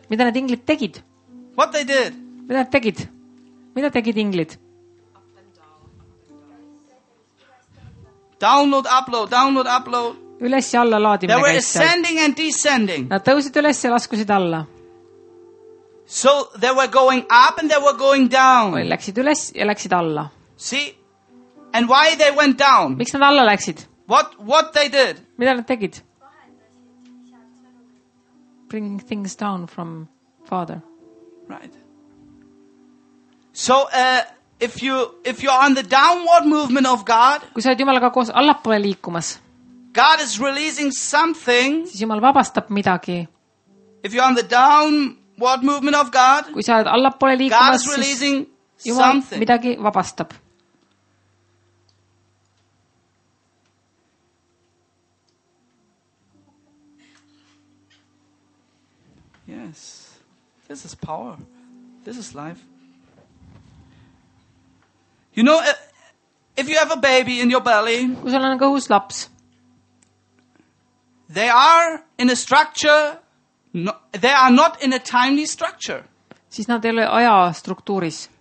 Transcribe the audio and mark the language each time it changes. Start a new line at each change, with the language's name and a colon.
Estonian: Mida nad inglid tegid?
English: What they did?
Estonian: Mida nad tegid? Mida tegid inglid?
English: Download, upload, download, upload.
Estonian: Üles ja alla laadimine.
English: They were ascending and descending.
Estonian: Nad tõusid üles ja laskusid alla.
English: So they were going up and they were going down.
Estonian: Või läksid üles ja läksid alla.
English: See? And why they went down?
Estonian: Miks nad alla läksid?
English: What they did?
Estonian: Mida nad tegid?
English: Bringing things down from Father. Right. So if you are on the downward movement of God,
Estonian: kui sa oled Jumalaga koos allapoole liikumas,
English: God is releasing something.
Estonian: Siis Jumal vabastab midagi.
English: If you are on the downward movement of God,
Estonian: kui sa oled allapoole liikumas,
English: God is releasing
Estonian: Jumal
English: something.
Estonian: Midagi vabastab.
English: Yes. This is power. This is life. You know, if you have a baby in your belly,
Estonian: kui sul on kõhus laps,
English: they are in a structure, they are not in a timely structure.
Estonian: Siis nad ei ole ajastruktuuris.